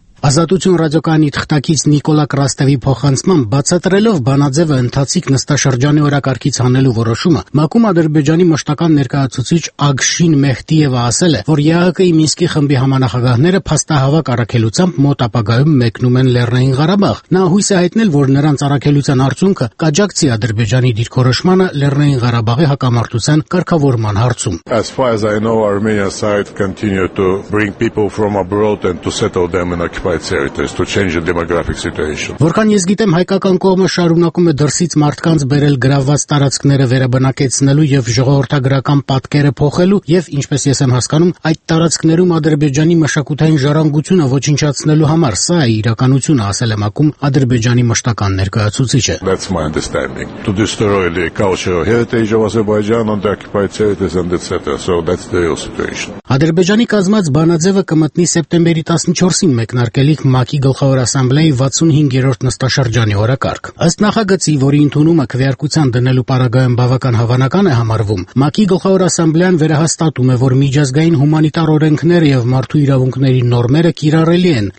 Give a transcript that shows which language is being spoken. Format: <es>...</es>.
<hy>Ազատություն ռադիոկայանի թղթակից Նիկոլա Կրաստևի փոխանցմամբ, բացատրելով բանաձևը ընթացիկ նստաշրջանի օրակարգից հանելու որոշումը, ՄԱԿ-ում ադրբեջանի մշտական ներկայացուցիչ Ագշին Մեհտիևը ասել է, որ ԵԱՀԿ-ի Մինսկի խմբի համանախագահները փաստահավաք առաքելությամբ մոտ ապագայում մեկնում են Լեռնային Ղարաբաղ։ Նա հույս է հայտնել, որ նրանց առաքելության արդյունքը կաջակցի ադրբեջանի դիրքորոշմանը Լեռնային Ղարաբաղի հակամարտության կարգավորման հարցում։</hy> <en>As far as I know, Armenian side continue to bring people from abroad and to settle them in to change the demographic situation.</en> <hy>Որքան ես գիտեմ, հայկական կողմը շարունակում է դրսից մարդկանց բերել գրաված տարածքները վերաբնակեցնելու եւ ժողովրդագրական պատկերը փոխելու, եւ ինչպես ես եմ հասկանում, այդ տարածքներում ադրբեջանի մշակութային ժառանգությունը ոչնչացնելու համար, սա է իրականությունը, ասել է ՄԱԿ-ում ադրբեջանի մշտական ներկայացուցիչը։</hy> <en>That's my understanding. To destroy the cultural heritage of Azerbaijan and occupy territories and etc. So that's the real situation.</en> <hy>Ադրբեջանի կազմած բանաձևը կմտնի սեպտեմբերի 14-ին մեկնարկելիք ՄԱԿ-ի գլխավոր ասամբլեայի 65-րդ նստաշրջանի օրակարգ։ Ըստ նախագծի, որի ընդունումը քվեարկության դնելու պարագայում բավական հավանական է համարվում, ՄԱԿ-ի գլխավոր ասամբլեան վերահաստատում է, որ միջազգային հումանիտար օրենքները եւ մարդու իրավունքների նորմերը կիրառելի են</hy>